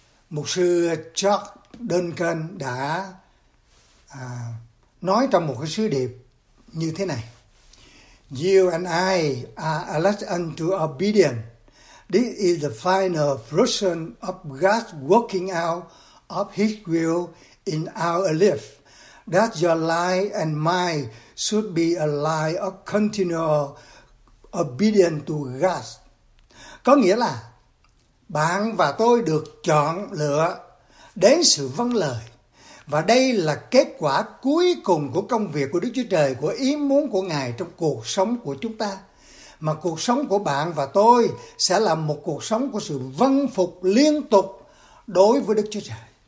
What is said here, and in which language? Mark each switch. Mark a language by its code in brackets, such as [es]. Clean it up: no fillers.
[vi] Mục sư Chuck Duncan đã nói trong một cái sứ điệp như thế này: [en] You and I are elected unto obedience. This is the final fruition of God working out of His will in our life. That your life and mine should be a life of continual obedience to God. [vi] Có nghĩa là bạn và tôi được chọn lựa đến sự vâng lời. Và đây là kết quả cuối cùng của công việc của Đức Chúa Trời, của ý muốn của Ngài trong cuộc sống của chúng ta. Mà cuộc sống của bạn và tôi sẽ là một cuộc sống của sự vâng phục liên tục đối với Đức Chúa Trời.